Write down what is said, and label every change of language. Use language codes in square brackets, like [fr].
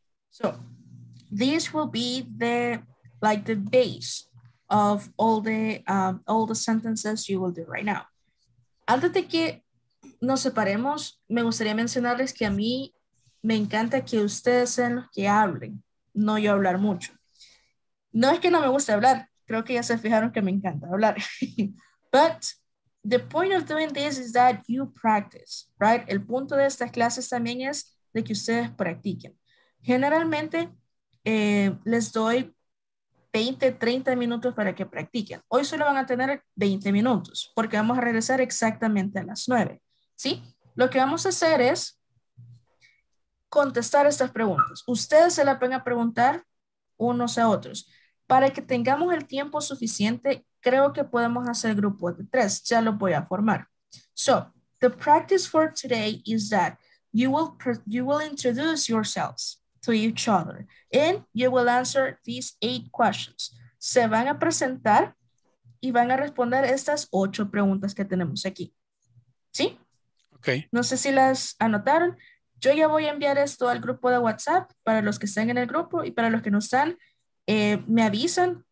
[en] So, this will be the base of all the sentences you will do right now. [es] Antes de que nos separemos, me gustaría mencionarles que a mí me encanta que ustedes sean los que hablen, no yo hablar mucho. No es que no me guste hablar, creo que ya se fijaron que me encanta hablar. [en] But the point of doing this is that you practice, right? [es] El punto de estas clases también es de que ustedes practiquen. Generalmente, les doy 20, 30 minutos para que practiquen. Hoy solo van a tener 20 minutos, porque vamos a regresar exactamente a las 9, ¿sí? Lo que vamos a hacer es contestar estas preguntas. Ustedes se las van a preguntar unos a otros. Para que tengamos el tiempo suficiente, creo que podemos hacer grupos de tres. Ya lo voy a formar. [en] So, the practice for today is that you will introduce yourselves to each other. And you will answer these 8 questions. [es] se van a presentar y van a responder estas 8 preguntas que tenemos aquí. ¿Sí? Ok. No sé si las anotaron. Yo ya voy a enviar esto al grupo de WhatsApp para los que estén en el grupo y para los que no están, me avisan.